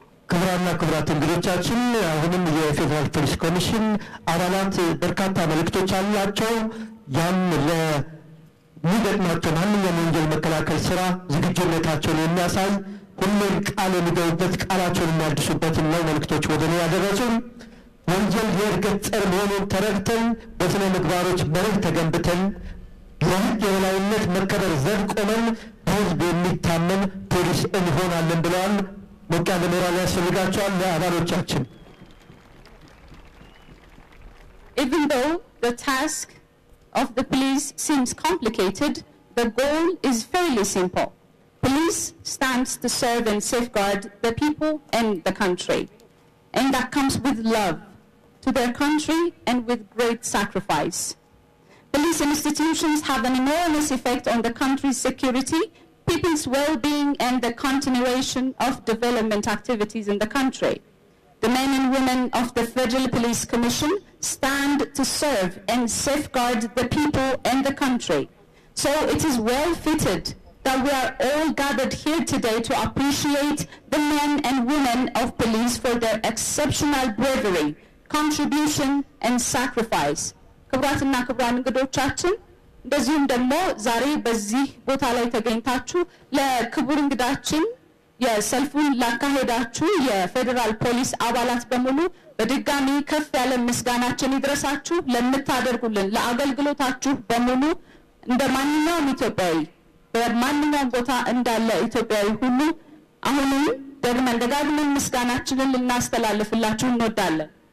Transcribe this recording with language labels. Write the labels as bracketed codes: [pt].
[am] ክቡራና ክቡራት እንግዶቻችን፣ አሁንም የፌደራል ፖሊስ ኮሚሽን አባላት በርካታ መልእክቶች አሏቸው። ያም ለሚገጥማቸው ማንኛውም ወንጀል መከላከል ስራ ዝግጁነታቸውን የሚያሳይ ሁሉም ቃል የሚገቡበት ቃላቸውን የሚያድሱበትን ነው መልእክቶች ወደ እኔ ያደረሱን። ወንጀል የእርግጥ ጸር መሆኑን ተረድተን በስነ ምግባሮች መርህ ተገንብተን የህግ የበላይነት መከበር ዘብ ቆመን በህዝብ የሚታመን ፖሊስ እንሆናለን ብለዋል። ሞቅ ያለ ሞራል ያስፈልጋቸዋል ለአባሎቻችን። [en] Even though the task of the police seems complicated, the goal is fairly simple. Police stands to serve and safeguard the people and the country. And that comes with love to their country and with great sacrifice. Police institutions have an enormous effect on the country's security, people's well-being, and the continuation of development activities in the country. The men and women of the Federal Police Commission stand to serve and safeguard the people and the country. So it is well fitted that we are all gathered here today to appreciate the men and women of police for their exceptional bravery, contribution, and sacrifice. [am] ክብራትና ክብራን እንግዶቻችን፣ እንደዚሁም ደግሞ ዛሬ በዚህ ቦታ ላይ ተገኝታችሁ ለክቡር እንግዳችን የሰልፉን ላካሄዳችሁ የፌደራል ፖሊስ አባላት በሙሉ በድጋሚ ከፍ ያለ ምስጋናችን ይድረሳችሁ። ለምታደርጉልን ለአገልግሎታችሁ በሙሉ እንደ ማንኛውም ኢትዮጵያዊ በማንኛውም ቦታ እንዳለ ኢትዮጵያዊ ሁሉ አሁንም ደግመን ደጋግመን ምስጋናችንን ልናስተላልፍላችሁ እንወዳለን።